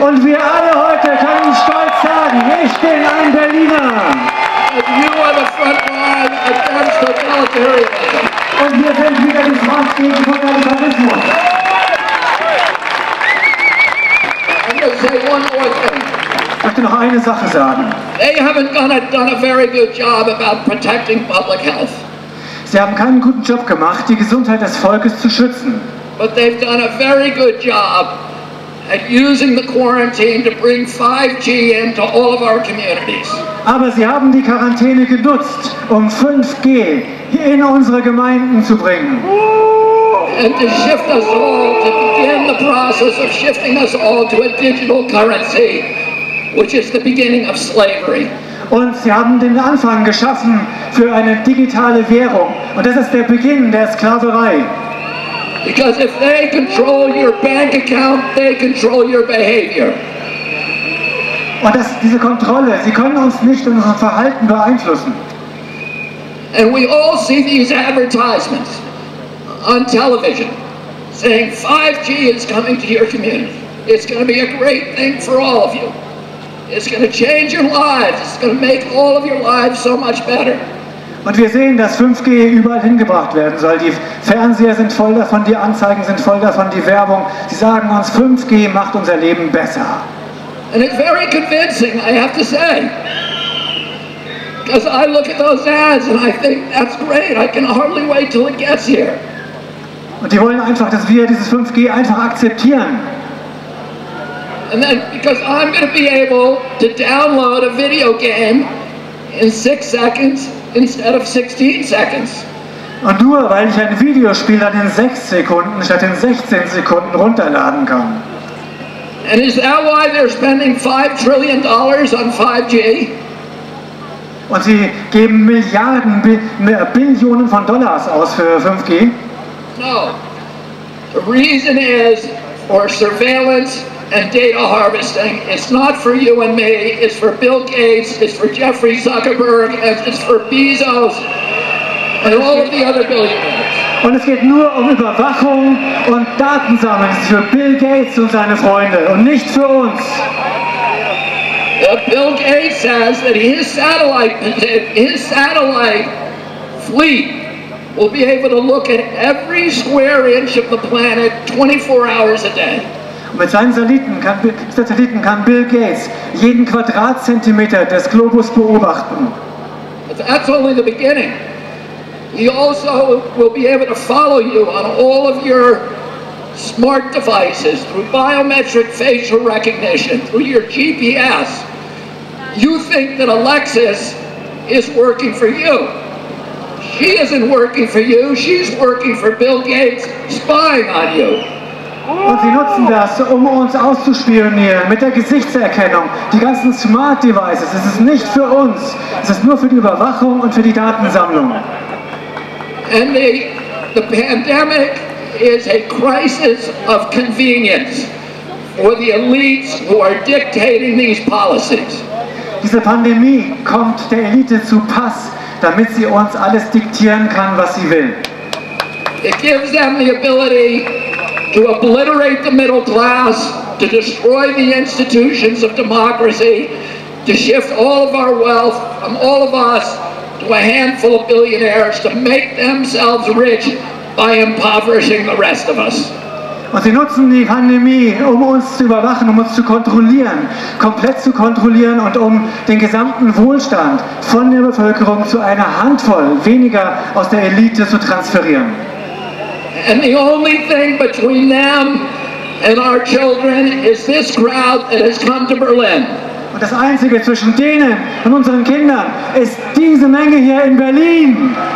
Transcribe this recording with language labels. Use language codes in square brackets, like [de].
[de] Und wir alle heute können stolz sagen, ich bin ein Berliner. [en] And you are the front line against totalitarianism. [de] Und wir sind wieder die Front gegen Totalitarismus. [en] Say one more thing. [de] Ich möchte noch eine Sache sagen. [en] They haven't done a very good job about protecting public health. [de] Sie haben keinen guten Job gemacht, die Gesundheit des Volkes zu schützen. [en] But they've done a very good job at using the quarantine to bring 5G into all of our communities. [de] Aber sie haben die Quarantäne genutzt, um 5G hier in unsere Gemeinden zu bringen. [en] And to shift us all, to begin the process of shifting us all to a digital currency, which is the beginning of slavery. [de] Und sie haben den Anfang geschaffen für eine digitale Währung. Und das ist der Beginn der Sklaverei. [en] Because if they control your bank account, they control your behavior. [de] Und das, diese Kontrolle, sie können uns nicht in unserem Verhalten beeinflussen. [en] And we all see these advertisements on television saying 5G is coming to your community. It's going to be a great thing for all of you. It's going to change your lives. It's going to make all of your lives so much better. [de] Und wir sehen, dass 5G überall hingebracht werden soll. Die Fernseher sind voll davon, die Anzeigen sind voll davon, die Werbung. Sie sagen uns, 5G macht unser Leben besser. [en] And it's very convincing, I have to say. Because I look at those ads and I think, that's great, I can hardly wait till it gets here. [de] Und die wollen einfach, dass wir dieses 5G einfach akzeptieren. [en] And then, because I'm going to be able to download a video game in 6 seconds instead of 16 seconds. [de] Und nur, weil ich ein Videospiel dann in 6 Sekunden statt in 16 Sekunden runterladen kann. [en] And is that why they're spending $5 trillion on 5G? [de] Und sie geben Milliarden, Billionen von Dollars aus für 5G? [en] No. The reason is for surveillance and data harvesting. It's not for you and me. It's for Bill Gates. It's for Jeffrey Zuckerberg. And it's for Bezos and all of the other billionaires. [de] Und es geht nur um Überwachung und Datensammeln. Es ist für Bill Gates und seine Freunde und nicht für uns. [en] Bill Gates says that his satellite fleet will be able to look at every square inch of the planet 24 hours a day. [de] Mit seinen Satelliten kann Bill Gates jeden Quadratzentimeter des Globus beobachten. [en] That's only the beginning. He also will be able to follow you on all of your smart devices through biometric facial recognition, through your GPS. You think that Alexis is working for you. She isn't working for you. She's working for Bill Gates, spying on you. [de] Und sie nutzen das, um uns auszuspionieren mit der Gesichtserkennung. Die ganzen Smart Devices, es ist nicht für uns. Es ist nur für die Überwachung und für die Datensammlung. [en] And the pandemic is a crisis of convenience for the elites who are dictating these policies. [de] Diese Pandemie kommt der Elite zu Pass, damit sie uns alles diktieren kann, was sie will. [en] It gives them the ability to obliterate the middle class, to destroy the institutions of democracy, to shift all of our wealth from all of us to a handful of billionaires, to make themselves rich by impoverishing the rest of us. [de] Und sie nutzen die Pandemie, um uns zu überwachen, um uns zu kontrollieren, komplett zu kontrollieren und um den gesamten Wohlstand von der Bevölkerung zu einer Handvoll weniger aus der Elite zu transferieren. [en] And the only thing between them and our children is this crowd that has come to Berlin. [de] Und das Einzige zwischen denen und unseren Kindern ist diese Menge hier in Berlin.